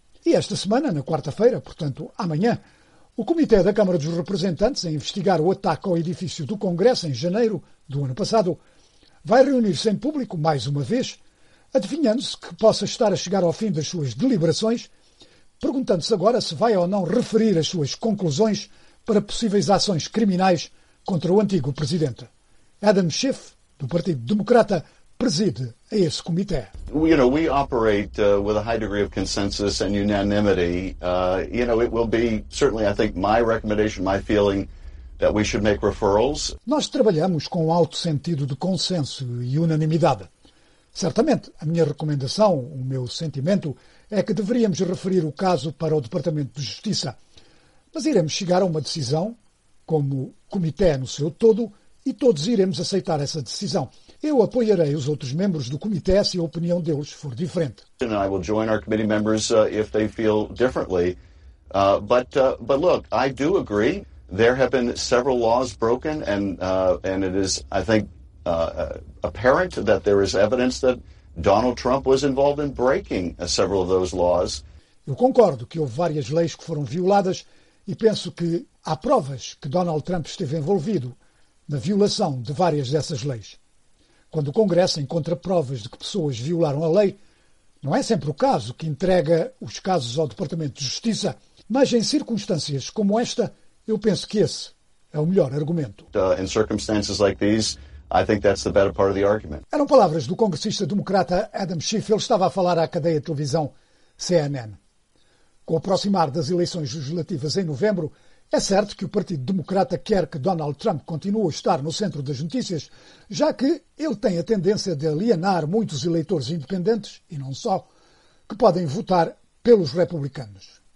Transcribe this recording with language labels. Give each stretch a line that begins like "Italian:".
Portuguese: E esta semana, na quarta-feira, portanto amanhã, o Comitê da Câmara dos Representantes, a investigar o ataque ao edifício do Congresso em janeiro do ano passado, vai reunir-se em público mais uma vez, adivinhando-se que possa estar a chegar ao fim das suas deliberações, perguntando-se agora se vai ou não referir as suas conclusões para possíveis ações criminais contra o antigo presidente. Adam Schiff, do Partido Democrata, preside a esse comitê.
English: You know, we operate with a high degree of consensus and unanimity. You know, it will be certainly, I think, my recommendation, my feeling that we should make referrals.
Portuguese: Nós trabalhamos com um alto sentido de consenso e unanimidade. Certamente, a minha recomendação, o meu sentimento, é que deveríamos referir o caso para o Departamento de Justiça. Mas iremos chegar a uma decisão, como comitê no seu todo, e todos iremos aceitar essa decisão. Eu apoiarei os outros membros do comitê se a opinião deles for diferente.
English: And I will join our committee members if they feel differently. But look, I do agree. There have been several laws broken, and it is, I think, apparent that there is evidence that Donald Trump was involved in breaking several of those laws.
Portuguese: Eu concordo que houve várias leis que foram violadas. E penso que há provas que Donald Trump esteve envolvido na violação de várias dessas leis. Quando o Congresso encontra provas de que pessoas violaram a lei, não é sempre o caso que entrega os casos ao Departamento de Justiça, mas em circunstâncias como esta, eu penso que esse é o melhor argumento.
English: In circumstances like these, I think that's the better part of the argument.
Portuguese: Eram palavras do congressista democrata Adam Schiff. Ele estava a falar à cadeia de televisão CNN. Com o aproximar das eleições legislativas em novembro, É certo que o Partido Democrata quer que Donald Trump continue a estar no centro das notícias, já que ele tem a tendência de alienar muitos eleitores independentes, e não só, que podem votar pelos republicanos.